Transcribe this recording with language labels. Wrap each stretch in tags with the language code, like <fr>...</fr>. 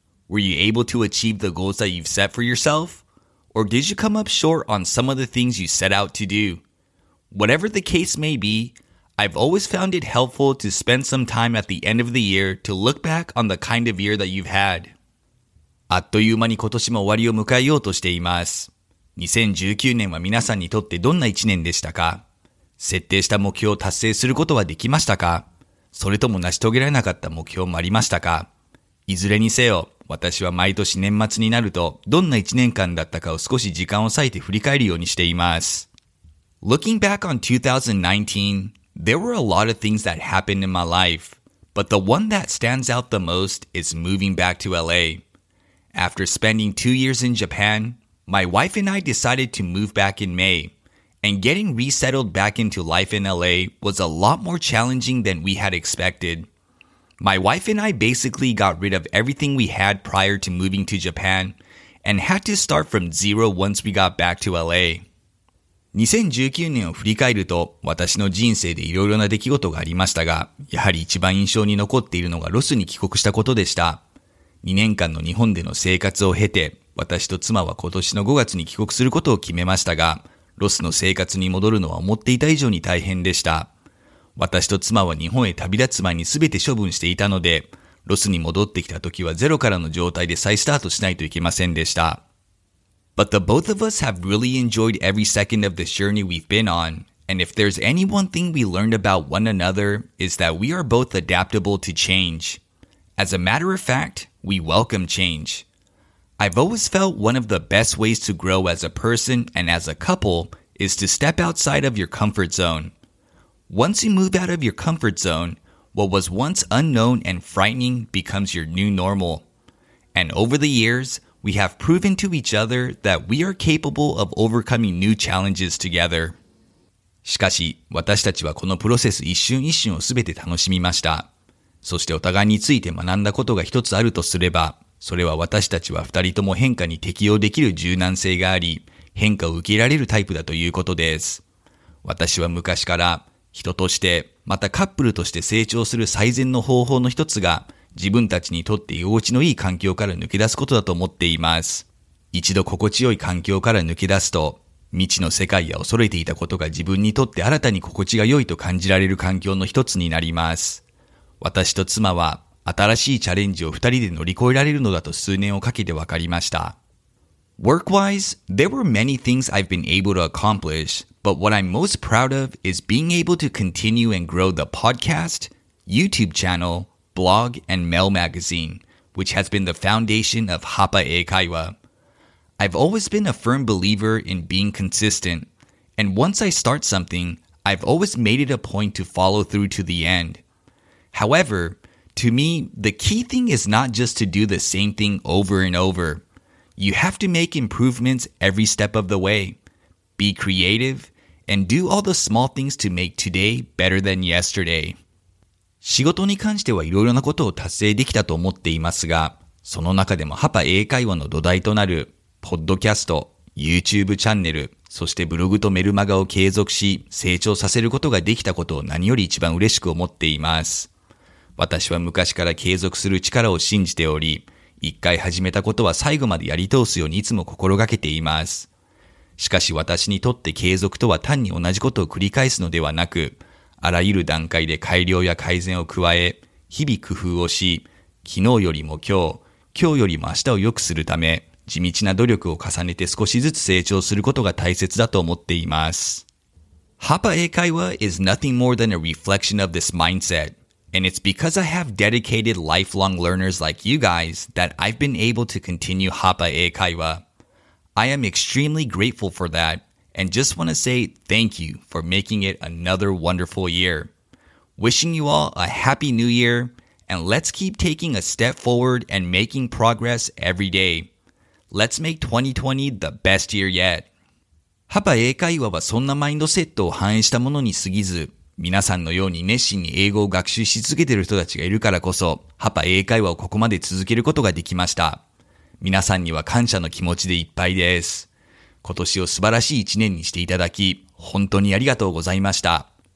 <en>Were you able to achieve the goals that you've set for yourself? Or did you come up short on some of the things you set out to do? Whatever the case may be, I've always found it helpful to spend some time at the end of the year to look back on the kind of year that you've had.</en> <ja>あっという間に今年も終わりを迎えようとしています。2019年は皆さんにとってどんな1年でしたか？設定した目標を達成することはできましたか？それとも成し遂げられなかった目標もありましたか？いずれにせよ、私は毎年年末になると、どんな1年間だったかを少し時間を割いて振り返るようにしています。</ja> <en>Looking back on 2019, there were a lot of things that happened in my life, but the one that stands out the most is moving back to LA. After spending 2 years in Japan, my wife and I decided to move back in May. And getting resettled back into life in LA was a lot more challenging than we had expected. My wife and I basically got rid of everything we had prior to moving to Japan and had to start from zero once we got back to LA.</en> <ja>2019年を振り返ると、私の人生でいろいろな出来事がありましたが、やはり一番印象に残っているのがロスに帰国したことでした。 2年間の日本での生活を経て、私と妻は今年の5月に帰国することを決めましたが、ロスの生活に戻るのは思っていた以上に大変でした。私と妻は日本へ旅立つ前にすべて処分していたので、ロスに戻ってきた時はゼロからの状態で再スタートしないといけませんでした。</ja> <en>But the both of us have really enjoyed every second of this journey we've been on, and if there's any one thing we learned about one another, is that we are both adaptable to change. As a matter of fact, we welcome change. I've always felt one of the best ways to grow as a person and as a couple is to step outside of your comfort zone. Once you move out of your comfort zone, what was once unknown and frightening becomes your new normal. And over the years, we have proven to each other that we are capable of overcoming new challenges together.</en> <ja>しかし、私たちはこのプロセス一瞬一瞬をすべて楽しみました。そしてお互いについて学んだことが一つあるとすれば、それは私たちは二人とも変化に適応できる柔軟性があり、変化を受け入れられるタイプだということです。私は昔から、人として、またカップルとして成長する最善の方法の一つが、自分たちにとって居心地のいい環境から抜け出すことだと思っています。一度心地よい環境から抜け出すと、未知の世界や恐れていたことが自分にとって新たに心地が良いと感じられる環境の一つになります。私と妻は、新しいチャレンジを二人で乗り越えられるのだと数年をかけて分かりました。</ja> <en>Work-wise, there were many things I've been able to accomplish, but what I'm most proud of is being able to continue and grow the podcast, YouTube channel, blog, and mail magazine, which has been the foundation of Hapae Kaiwa. I've always been a firm believer in being consistent, and once I start something, I've always made it a point to follow through to the end. However,To me, the key thing is not just to do the same thing over and over. You have to make improvements every step of the way. Be creative, and do all the small things to make today better than yesterday.</en> <ja>仕事に関してはいろいろなことを達成できたと思っていますが、その中でもハパ英会話の土台となる、ポッドキャスト、YouTube チャンネル、そしてブログとメルマガを継続し、成長させることができたことを何より一番嬉しく思っています。私は昔から継続する力を信じており、一回始めたことは最後までやり通すようにいつも心がけています。しかし私にとって継続とは単に同じことを繰り返すのではなく、あらゆる段階で改良や改善を加え、日々工夫をし、昨日よりも今日、今日よりも明日を良くするため、地道な努力を重ねて少しずつ成長することが大切だと思っています。</ja> <en>Hapa Ekaiwa is nothing more than a reflection of this mindset, and it's because I have dedicated lifelong learners like you guys that I've been able to continue Hapa Ekaiwa. I am extremely grateful for that, and just want to say thank you for making it another wonderful year. Wishing you all a happy new year, and let's keep taking a step forward and making progress every day. Let's make 2020 the best year yet.</en> <ja>ハパ英会話はそんなマインドセットを反映したものに過ぎず、皆さんのように熱心に英語を学習し続けている人たちがいるからこそ、ハパ英会話をここまで続けることができました。皆さんには感謝の気持ちでいっぱいです。今年を素晴らしい一年にしていただき、本当にありがとうございました。</ja>